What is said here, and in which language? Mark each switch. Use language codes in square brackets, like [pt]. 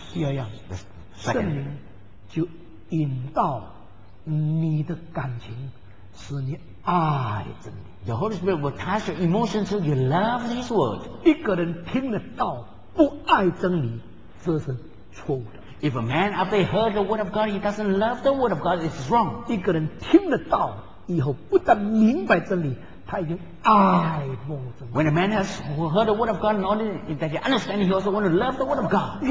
[zh] 第二样 [en] The second. [zh] 圣灵就引导你的感情，使你爱真理。 [en] The Holy Spirit will touch your emotions so you love His word. [zh] 一个人听了道不爱真理。这是错误的。 [en] If a man after he heard the word of God, he doesn't love the word of God, it's wrong. [zh] 一个人听了道以后，不但明白真理，他已经爱慕真理。 [en] When a man has heard the word of God, not only that he understands, he also want to love the word of God.